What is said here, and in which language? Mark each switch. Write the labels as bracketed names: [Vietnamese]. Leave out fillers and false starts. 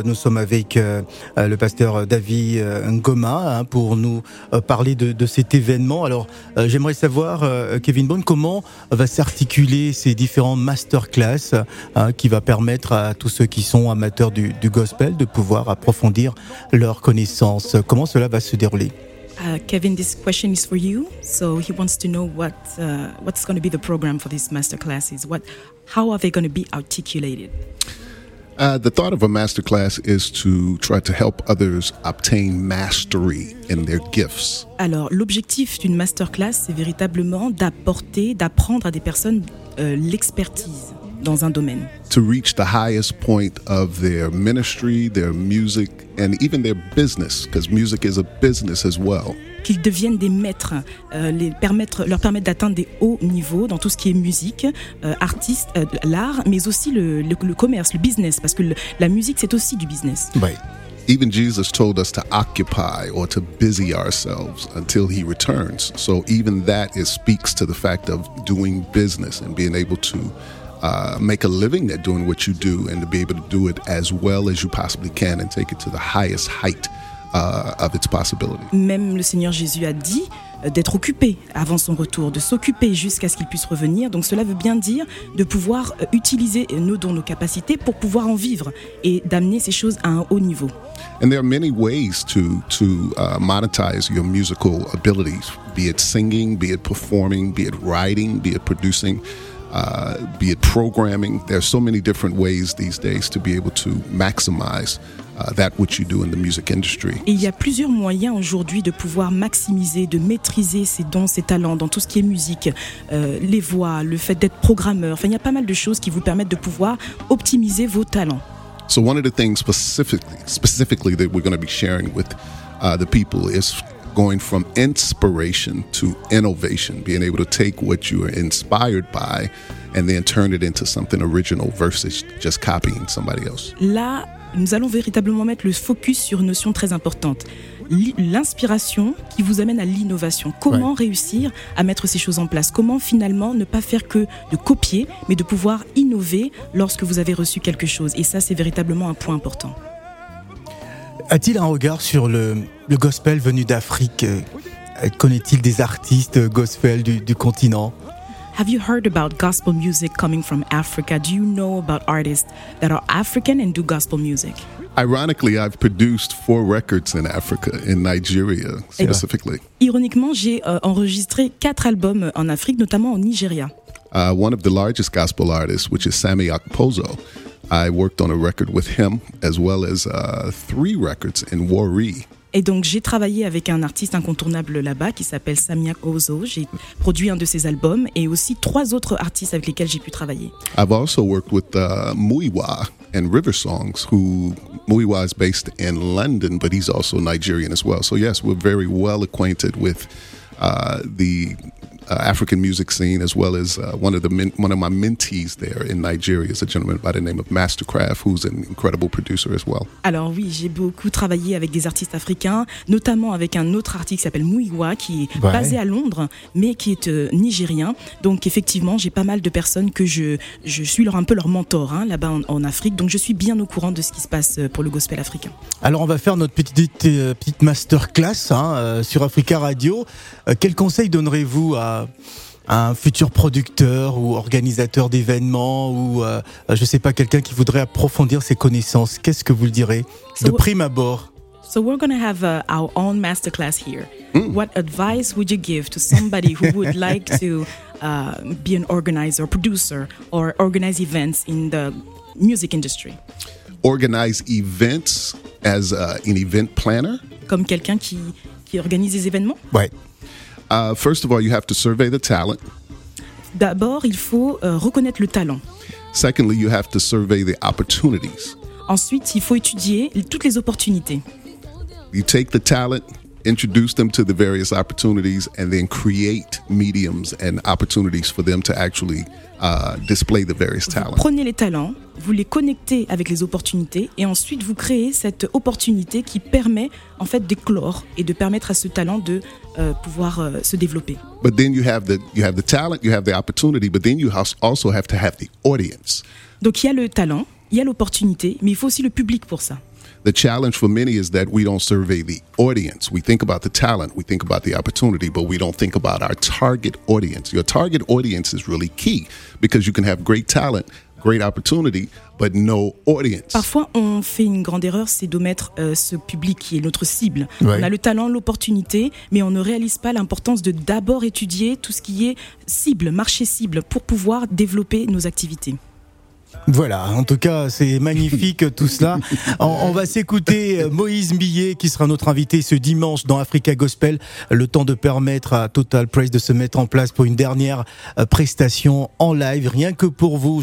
[French] Nous sommes avec le pasteur David Ngoma, hein, pour nous parler de cet événement. Alors j'aimerais savoir, Kevin Bond, comment comment va s'articuler ces différents masterclass qui va permettre à tous ceux qui sont amateurs du gospel de pouvoir approfondir leurs connaissances. Comment cela va se dérouler? [English] Kevin, this question is for you. So he wants to know what's going to be the program for these masterclasses. How are they going to be articulated? The thought of a masterclass is to try to help others obtain mastery in their gifts. [French] Alors, l'objectif d'une masterclass, c'est véritablement d'apprendre à des personnes l'expertise dans un domaine. [English] To reach the highest point of their ministry, their music, and even their business, because music is a business as well. [French] Qu'ils deviennent des maîtres, leur permettre d'atteindre des hauts niveaux dans tout ce qui est musique, artiste, l'art, mais aussi le commerce, le business, parce que la musique, c'est aussi du business. [English] Right. Even Jesus told us to occupy or to busy ourselves until he returns. So even that speaks to the fact of doing business and being able to make a living at doing what you do and to be able to do it as well as you possibly can and take it to the highest height of its possibility. [French] Même le Seigneur Jésus a dit d'être occupé avant son retour, de s'occuper jusqu'à ce qu'il puisse revenir. Donc cela veut bien dire de pouvoir utiliser nos dons, nos capacités pour pouvoir en vivre et d'amener ces choses à un haut niveau. [English] And there are many ways to monetize your musical abilities, be it singing, be it performing, be it writing, be it producing. Be it programming, there are so many different ways these days to be able to maximize that which you do in the music industry. [French] Il y a plusieurs moyens aujourd'hui de pouvoir maximiser, de maîtriser ses dons, ses talents dans tout ce qui est musique, les voix, le fait d'être programmeur. Enfin, il y a pas mal de choses qui vous permettent de pouvoir optimiser vos talents. [English] So one of the things specifically that we're going to be sharing with the people is going from inspiration to innovation, being able to take what you are inspired by and then turn it into something original versus just copying somebody else. [French] Là, nous allons véritablement mettre le focus sur une notion très importante. L'inspiration qui vous amène à l'innovation. Comment right. réussir à mettre ces choses en place? Comment finalement ne pas faire que de copier, mais de pouvoir innover lorsque vous avez reçu quelque chose? Et ça, c'est véritablement un point important. A-t-il un regard sur le gospel venu d'Afrique? Connaît-il des artistes gospel du continent? [English] Have you heard about gospel music coming from Africa? Do you know about artists that are African and do gospel music? Ironically, I've produced 4 records in Africa, in Nigeria specifically. [French] Ironiquement, j'ai enregistré 4 albums en Afrique, notamment au Nigeria. [English] One of the largest gospel artists, which is Sammy Akpozo, I worked on a record with him as well as 3 records in Warri. [French] Et donc j'ai travaillé avec un artiste incontournable là-bas qui s'appelle Sammy Akpozo. J'ai produit un de ses albums et aussi 3 autres artistes avec lesquels j'ai pu travailler. [English] I've also worked with Muiwa and River Songs, who Muiwa is based in London, but he's also Nigerian as well. So yes, we're very well acquainted with the African music scene, as well as one of my mentees there in Nigeria, is a gentleman by the name of Mastercraft, who's an incredible producer as well. [French] Alors oui, j'ai beaucoup travaillé avec des artistes africains, notamment avec un autre artiste qui s'appelle Muiwa, qui est basé à Londres, mais qui est nigérien. Donc effectivement, j'ai pas mal de personnes que je suis un peu leur mentor hein, là-bas en Afrique. Donc je suis bien au courant de ce qui se passe pour le gospel africain. Alors on va faire notre petite masterclass hein, sur Africa Radio. Quel conseil donnerez-vous à un futur producteur ou organisateur d'événements ou je sais pas, quelqu'un qui voudrait approfondir ses connaissances? Qu'est-ce que vous le direz de prime abord? [English] So we're going to have our own masterclass here. What advice would you give to somebody who would like to be an organizer or producer or organize events in the music industry? Organize events as an event planner? [French] Comme quelqu'un qui organise des événements? Ouais. [English] First of all, you have to survey the talent. [French] D'abord, il faut reconnaître le talent. [English] Secondly, you have to survey the opportunities. [French] Ensuite, il faut étudier toutes les opportunités. [English] You take the talent, introduce them to the various opportunities, and then create mediums and opportunities for them to actually display the various talents. [French] Prenez les talents, vous les connectez avec les opportunités, et ensuite vous créez cette opportunité qui permet en fait d'éclore et de permettre à ce talent de pouvoir se développer. [English] But then you have the talent, you have the opportunity, but then you also have to have the audience. [French] Donc il y a le talent, il y a l'opportunité, mais il faut aussi le public pour ça. [English] The challenge for many is that we don't survey the audience. We think about the talent, we think about the opportunity, but we don't think about our target audience. Your target audience is really key, because you can have great talent, great opportunity, but no audience. [French] Parfois, on fait une grande erreur, c'est d'omettre ce public qui est notre cible. Right. On a le talent, l'opportunité, mais on ne réalise pas l'importance de d'abord étudier tout ce qui est cible, marché cible, pour pouvoir développer nos activités. Voilà, en tout cas, c'est magnifique tout cela. On va s'écouter Moïse Millet, qui sera notre invité ce dimanche dans Africa Gospel, le temps de permettre à Total Press de se mettre en place pour une dernière prestation en live, rien que pour vous.